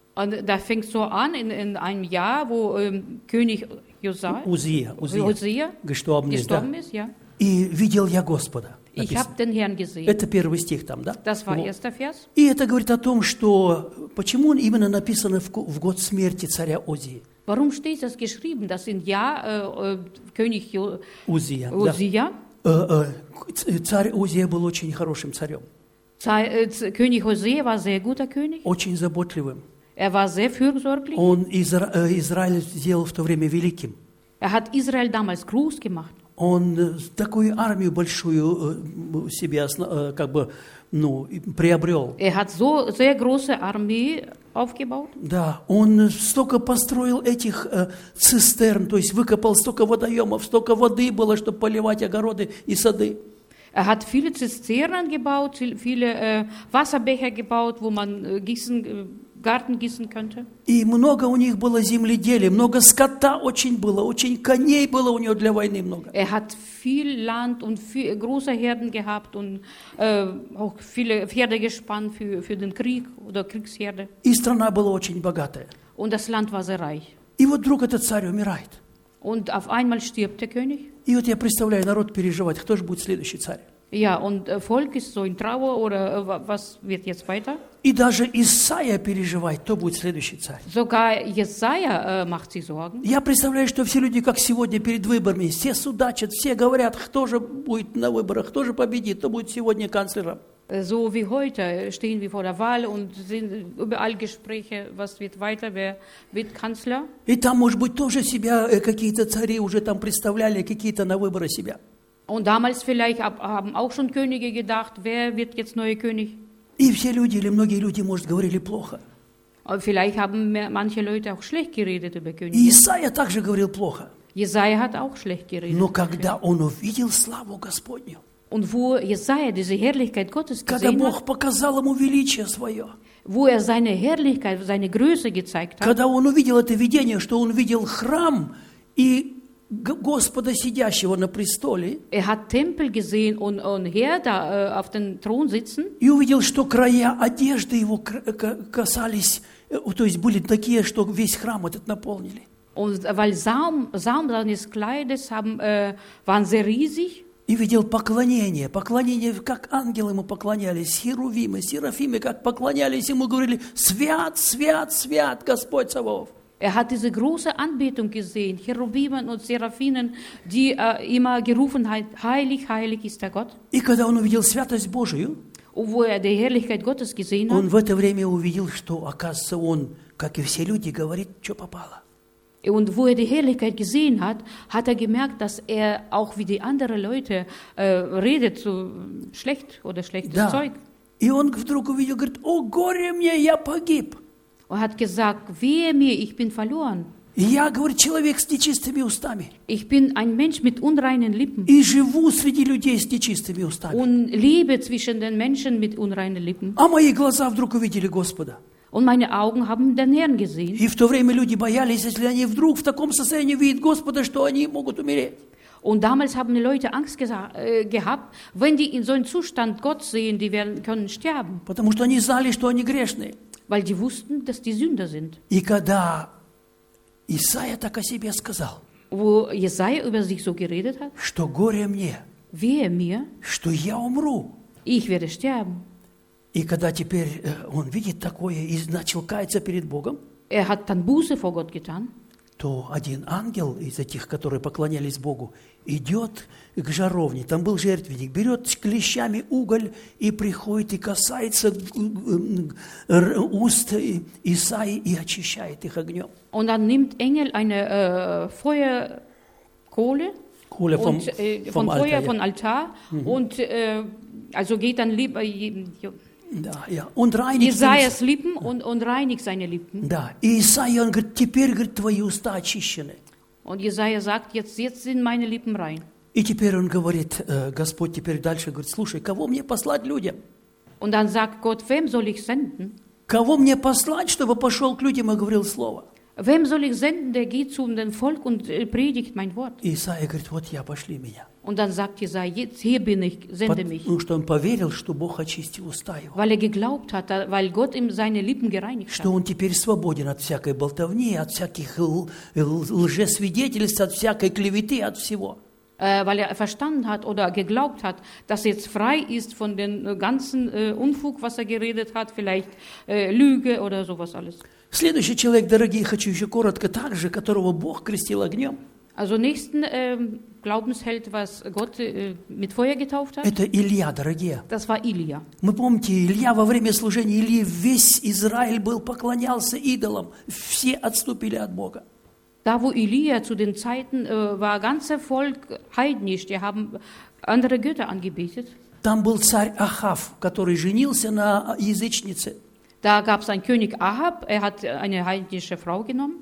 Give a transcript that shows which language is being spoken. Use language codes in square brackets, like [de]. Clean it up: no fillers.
[de] Und da fängt so an, in einem Jahr, wo König [ru] Узия [de] gestorben ist. [ru] Да. [de] Ist ja. [ru] И видел я Господа. [de] Ich hab den Herrn gesehen. [ru] Это первый стих там, да? [de] Das war erster Vers. [ru] И это говорит о том, что почему именно написано в год смерти царя Узии. [de] Warum steht das geschrieben, dass in Jahr König [ru] Узия, Узия? Да. Царь Узия был очень хорошим царем. [de] König Узия war sehr guter König. [ru] Очень заботливым. [de] Er war sehr fürsorglich. [ru] Он Израиль сделал в то время великим. [de] Er hat Israel damals groß gemacht. [ru] Он такую армию большую себе как бы, ну, приобрел. [de] Er hat so sehr große Armee aufgebaut. [ru] Да, он столько построил этих цистерн, то есть выкопал столько водоемов, столько воды было, чтобы поливать огороды и сады. [de] Er hat viele Zisternen gebaut, viele Wasserbecher gebaut, wo man gießen Garten gießen könnte. [ru] И много у них было земледелия, много скота очень было, очень коней было у него для войны много. [de] Er hat viel Land und viel, große Herden gehabt und auch viele Pferde gespannt für den Krieg oder Kriegsherde. [ru] И страна была очень богатая. [de] Und das Land war sehr reich. [ru] И вот вдруг этот царь умирает. [de] Und auf einmal stirbt der König. [ru] И вот я представляю народ переживать, кто же будет следующий царь? [de] Ja, und Volk ist so in Trauer, oder was wird jetzt weiter? [ru] И даже Исаия переживает, кто будет следующий царь. [de] Sogar Jesaja macht sich Sorgen. [ru] Я представляю, что все люди, как сегодня перед выборами, все судачат, все говорят, кто же будет на выборах, кто же победит, кто будет сегодня канцлером. [de] So wie heute stehen wir vor der Wahl und sind überall Gespräche, was wird weiter, wer wird Kanzler. [ru] И там, может быть, тоже себя какие-то цари уже там представляли, какие-то на выборы себя. [de] Und damals vielleicht haben auch schon Könige gedacht, wer wird jetzt neuer König? [ru] И все люди или многие люди, может, говорили плохо. [de] Vielleicht haben manche Leute auch schlecht geredet über Könige. [ru] И Исаия также говорил плохо. [de] Jesaja hat auch schlecht geredet. [ru] Но когда он увидел славу Господню. [de] Und wo Jesaja diese Herrlichkeit Gottes gesehen hat. [ru] Когда Бог показал ему величие свое. [de] Wo seine Herrlichkeit, seine Größe gezeigt hat. [ru] Когда он увидел это видение, что он видел храм и Господа сидящего на престоле. [de] Er hat Tempel gesehen und Herr da auf den Thron sitzen. [ru] И увидел, что края одежды его касались, то есть были такие, что весь храм этот наполнили. [de] Und weil Saum seines Kleides waren sehr riesig. [ru] И видел поклонение, поклонение, как ангелы ему поклонялись, херувимы, серафимы, как поклонялись ему, говорили: «Свят, свят, свят, Господь Саваоф». [de] Er hat diese große Anbetung gesehen, Cherubimen und Seraphinen, die immer gerufen haben, heilig, heilig ist der Gott. [ru] И когда он увидел святость Божию, [de] und wo er die Herrlichkeit Gottes gesehen hat, [ru] он в это время увидел, что, оказывается, он, как и все люди, говорит, что попало. [de] Und wo er die Herrlichkeit gesehen hat, hat er gemerkt, dass er auch wie die anderen Leute redet so schlecht oder schlechtes [ru] да. [de] Zeug. [ru] И он вдруг увидел, говорит, о, горе мне, я погиб. [de] Und hat gesagt, wehe mir, ich bin verloren. [ru] Я, говорит, человек с нечистыми устами. [de] Ich bin ein Mensch mit unreinen Lippen. [ru] И живу среди людей с нечистыми устами. [de] Und lebe zwischen den Menschen mit unreinen Lippen. [ru] А мои глаза вдруг увидели Господа. [de] Und meine Augen haben den Herrn gesehen. [ru] И в то время люди боялись, если они вдруг в таком состоянии видят Господа, что они могут умереть. [de] Und damals haben die Leute Angst gehabt, wenn die in so einem Zustand Gott sehen, die werden können sterben. [ru] Потому что они знали, что они грешны. [de] Weil die wussten, dass die Sünder sind. [ru] И когда Исаия так о себе сказал, [de] wo Jesaja über sich so geredet hat, [ru] что горе мне, [de] wehe mir, [ru] что я умру, [de] ich werde sterben. [ru] И когда теперь он видит такое и начал каяться перед Богом, [de] er hat dann Buße vor Gott getan, [ru] то один ангел из этих, которые поклонялись Богу, идет к жаровне, там был жертвенник, берет клещами уголь и приходит и касается уст Исаии и очищает их огнем. [de] Und dann nimmt Engel eine Feuerkohle von Feuer von Altar und also geht dann lieber [ru] да, я. Он реинит свои липы, он реинит свои липы. Да. И Исаия, он говорит, теперь, говорит, твои уста очищены. Он [de] Исаия sagt, jetzt sind meine Lippen rein. [ru] И теперь он говорит, Господь теперь дальше говорит, слушай, кого мне послать людям? [de] Und dann sagt Gott, wem soll ich senden? [ru] Кого мне послать, чтобы пошел к людям и говорил слово? [de] Wem soll ich senden, der geht zu dem Volk und predigt mein Wort? [ru] И Исаия говорит, вот я, пошли меня. [de] Und dann sagt Jesaja, jetzt hier bin ich, sende mich. [ru] Потому что он поверил, что Бог очистил уста его. [de] Weil er geglaubt hat, weil Gott ihm seine Lippen gereinigt hat. [ru] Что он теперь свободен от всякой болтовни, от всяких лжесвидетельств, от всякой клеветы, от всего. [de] Weil er verstanden hat oder geglaubt hat, dass er jetzt frei ist von dem ganzen Unfug, was er geredet hat, vielleicht Lüge oder sowas alles. [ru] Следующий человек, дорогие, хочу еще коротко так же, которого Бог крестил огнем. [de] Also nächsten Glaubensheld, was Gott mit Feuer getauft hat. [ru] Это Илья, дорогие. [de] Das war Илья. [ru] Мы помните, Илья во время служения Ильи весь Израиль был поклонялся идолам, все отступили от Бога. [de] Da wo Илья zu den Zeiten war ganze Volk heidnisch, die haben andere Götter angebetet. [ru] Там был царь Ахав, который женился на язычнице. [de] Da gab es einen König Ahab, er hat eine heidnische Frau genommen.